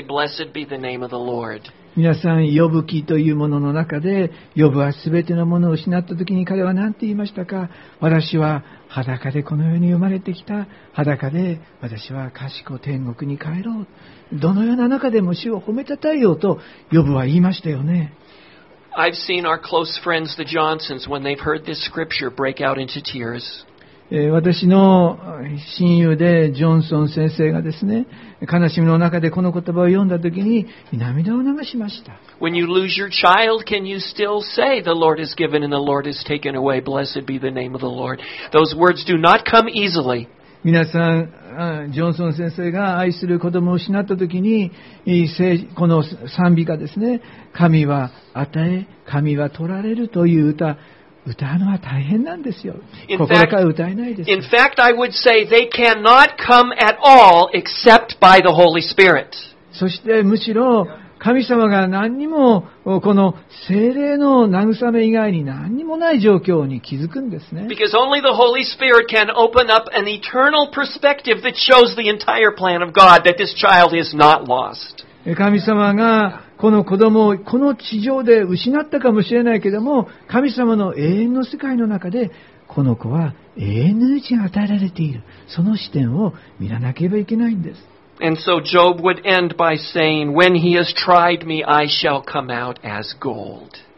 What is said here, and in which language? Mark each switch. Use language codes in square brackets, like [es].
[en] Blessed be the name of the Lord. [ja] 皆さん、ヨブ記というものの中で、ヨブはすべてのものを失ったときに彼は何て言いましたか？私は裸でこの世に生まれてきた。裸で私は賢い天国に帰ろう。どのような中でも主を褒めたたえようと、ヨブは言いましたよね。 [en] I've seen our close friends, the Johnsons, when they've heard this scripture break out into tears. [ja] 私の親友でジョンソン先生がですね、悲しみの中でこの言葉を読んだときに涙を流しました。 [en] When you lose your child, can you still say, The Lord is given and the Lord is taken away, blessed be the name of the Lord? Those words do not come easily. [ja] 皆さん、ジョンソン先生が愛する子供を失ったときに、この賛美歌ですね、神は与え、神は取られるという歌、歌うのは大変なんですよ。心から歌えないです。 [en] In fact, I would say they cannot come at all except by the Holy Spirit. [ja] そしてむしろ神様が何にもこの聖霊の慰め以外に何にもない状況に気づくんですね。 [en] Because only the Holy Spirit can open up an eternal perspective that shows the entire plan of God that this child is not lost. [ja] 神様がこの子供をこの地上で失ったかもしれないけれども、神様の永遠の世界の中でこの子は永遠の命が与えられている。その視点を見らなければいけないんです。 [en] And so Job would end by saying, "When he has tried me, I shall come out as gold."